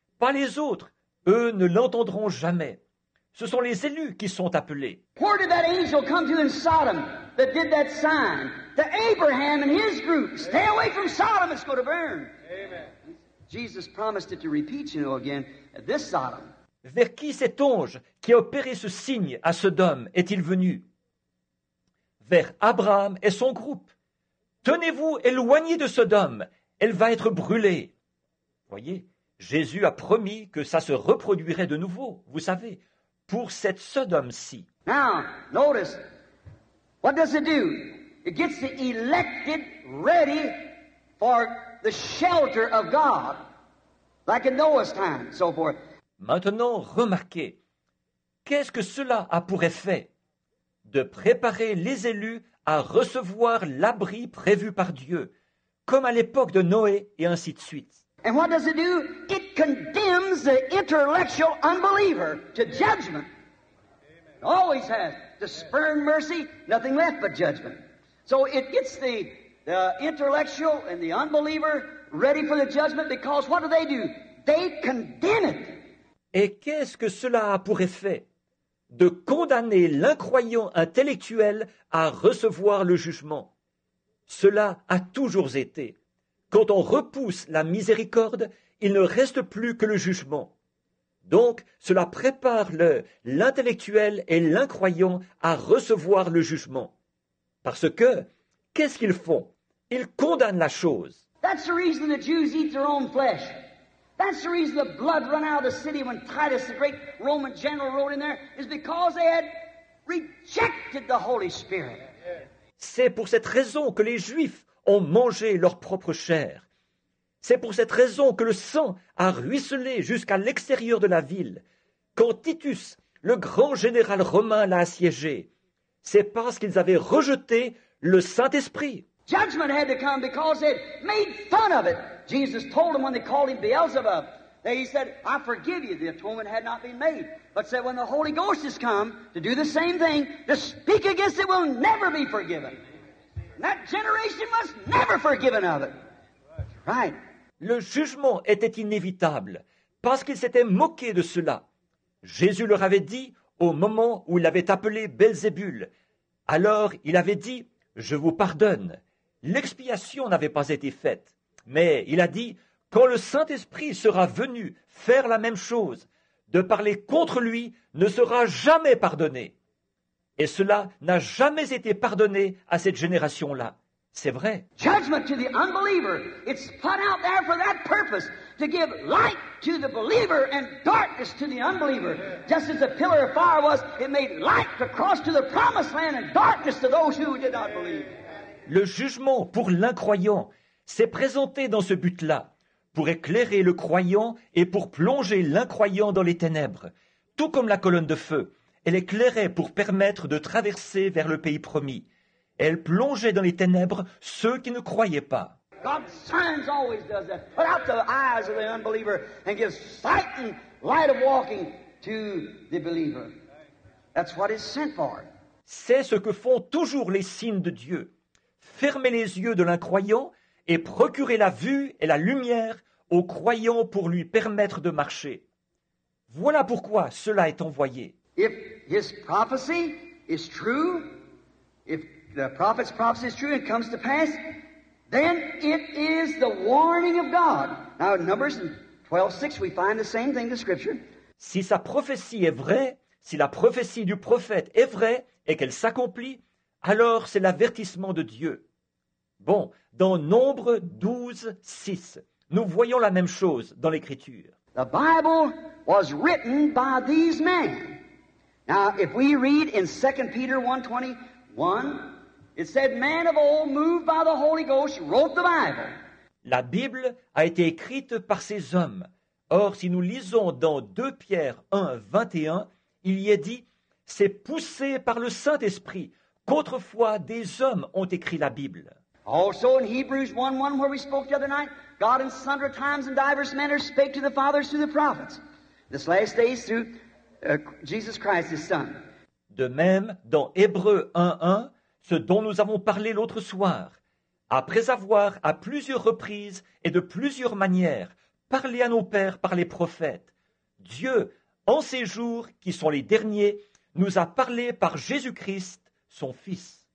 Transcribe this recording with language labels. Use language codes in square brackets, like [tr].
[fr] Pas les autres, eux ne l'entendront jamais. Ce sont les élus qui sont appelés. [en] Where did that angel come to in Sodom that did that sign? To Abraham and his group. Stay away from Sodom, it's going to burn. Amen. Jesus promised it to repeat, you know, again, this Sodom. [fr] Vers qui cet ange qui a opéré ce signe à Sodome est-il venu? Vers Abraham et son groupe. Tenez-vous éloignés de Sodome, elle va être brûlée. Voyez. Jésus a promis que ça se reproduirait de nouveau, vous savez, pour cette Sodome-ci. [en] Now, notice, what does it do? It gets the elected ready for the shelter of God, like in Noah's time, so forth. [fr] Maintenant, remarquez, qu'est-ce que cela a pour effet? De préparer les élus à recevoir l'abri prévu par Dieu, comme à l'époque de Noé et ainsi de suite. [en] And what does it do? It condemns the intellectual unbeliever to judgment. It always has. To spurn mercy, nothing left but judgment. So it gets the intellectual and the unbeliever ready for the judgment, because what do? They condemn it. [fr] Et qu'est-ce que cela a pour effet? De condamner l'incroyant intellectuel à recevoir le jugement. Cela a toujours été. Quand on repousse la miséricorde, il ne reste plus que le jugement. Donc, cela prépare l'intellectuel et l'incroyant à recevoir le jugement. Parce que, qu'est-ce qu'ils font? Ils condamnent la chose. [en] That's the reason the Jews eat their own flesh. That's the reason the blood run out of the city when Titus, the great Roman general, rode in there, is because they had rejected the Holy Spirit. [fr] C'est pour cette raison que les Juifs ont mangé leur propre chair. C'est pour cette raison que le sang a ruisselé jusqu'à l'extérieur de la ville, quand Titus, le grand général romain, l'a assiégé. C'est parce qu'ils avaient rejeté le Saint-Esprit. [en] Judgment had to come because they made fun of it. Jesus told them when they called him Beelzebub, that he said, I forgive you, the atonement had not been made. But said, when the Holy Ghost has come to do the same thing, to speak against it will never be forgiven. That generation must never forgive another. Right. [fr] Le jugement était inévitable parce qu'ils s'étaient moqués de cela. Jésus leur avait dit au moment où il avait appelé Belzébul, Alors il avait dit, je vous pardonne. L'expiation n'avait pas été faite, mais il a dit, quand le Saint-Esprit sera venu faire la même chose, de parler contre lui ne sera jamais pardonné. Et cela n'a jamais été pardonné à cette génération-là. C'est vrai. [en] Judgment to the unbeliever. It's put out there for that purpose, to give light to the believer and darkness to the unbeliever. Just as the pillar of fire was, it made light to cross to the promised land and darkness to those who did not believe. [fr] Le jugement pour l'incroyant s'est présenté dans ce but-là, pour éclairer le croyant et pour plonger l'incroyant dans les ténèbres. Tout comme la colonne de feu, elle éclairait pour permettre de traverser vers le pays promis. Elle plongeait dans les ténèbres ceux qui ne croyaient pas. [en] God's signs always does that. Put out the eyes of the unbeliever and give sight and light of walking to the believer. That's what it's sent for. [fr] C'est ce que font toujours les signes de Dieu. Fermer les yeux de l'incroyant et procurer la vue et la lumière au croyant pour lui permettre de marcher. Voilà pourquoi cela est envoyé. [en] If his prophecy is true, if the prophet's prophecy is true and comes to pass, then it is the warning of God. Now in Numbers 12:6 we find the same thing in Scripture. [fr] Si sa prophétie est vraie, si la prophétie du prophète est vraie et qu'elle s'accomplit, alors c'est l'avertissement de Dieu. Bon, dans Nombre 12:6, nous voyons la même chose dans l'Écriture. [en] The Bible was written by these men. Now if we read in 2 Peter 1:21, it said man of old moved by the Holy Ghost wrote the Bible. [fr] La Bible a été écrite par ces hommes. Or si nous lisons dans 2 Pierre 1:21, il y est dit c'est poussé par le Saint-Esprit qu'autrefois des hommes ont écrit la Bible. [en] Also in Hebrews 1:1 where we spoke the other night, God in sundry times and diverse manners spake to the fathers through the prophets. This last days through Jesus Christ, his son. [fr] De même, dans Hébreux 1:1, ce dont nous avons parlé l'autre soir, après avoir à plusieurs reprises et de plusieurs manières parlé à nos pères par les prophètes, Dieu, en ces jours qui sont les derniers, nous a parlé par Jésus-Christ, son Fils.